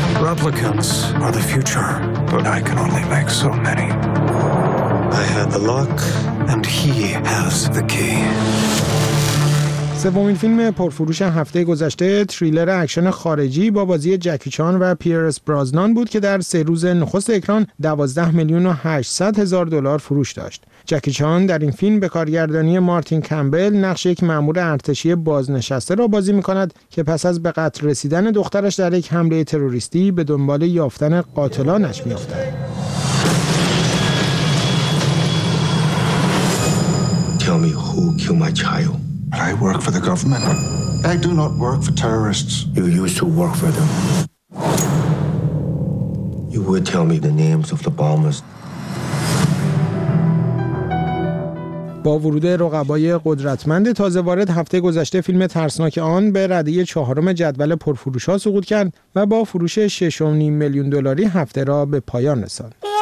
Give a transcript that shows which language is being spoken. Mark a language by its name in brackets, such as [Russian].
[English] Replicants are the future, but I can only make so many. I had the lock, and he has the key. [Persian] سومین فیلم پرفروش هفته گذشته تریلر اکشن خارجی با بازی جکی چان و پیرس برازنان بود که در سه روز نخست اکران 12 میلیون و 800 هزار دلار فروش داشت. جکی چان در این فیلم به کارگردانی مارتین کمبل نقش یک مأمور ارتشی بازنشسته را بازی می‌کند که پس از به قتل رسیدن دخترش در یک حمله تروریستی به دنبال یافتن قاتلانش می‌افتد. [English] Tell me who killed my child. I work for the government. I do not work for terrorists. You used to work for them. You would tell me the names of the bombers. [Persian] با ورود رقبای قدرتمند تازه وارد، هفته گذشته فیلم ترسناک آن به رده چهارم جدول پرفروش ها سقوط کرد و با فروش 6.5 میلیون دلاری هفته را به پایان رساند.